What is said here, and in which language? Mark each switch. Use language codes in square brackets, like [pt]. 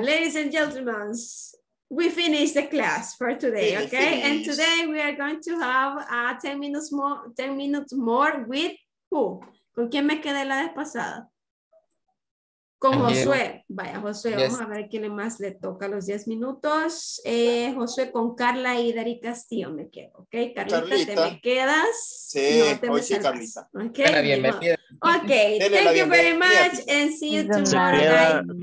[en] ladies and gentlemen, we finished the class for today, okay? And today we are going to have 10 minutes more with who? [es] ¿Con quién me quedé la vez pasada? Con Josué. Vaya, Josué, yes. Vamos a ver quién más le toca los 10 minutos. Josué, con Carla y Darí Castillo me quedo, ¿ok? Carlita, ¿te me quedas? Sí, no, te hoy me sí, salgas. Carlita. [en] Ok, thank you very much, and see you tomorrow.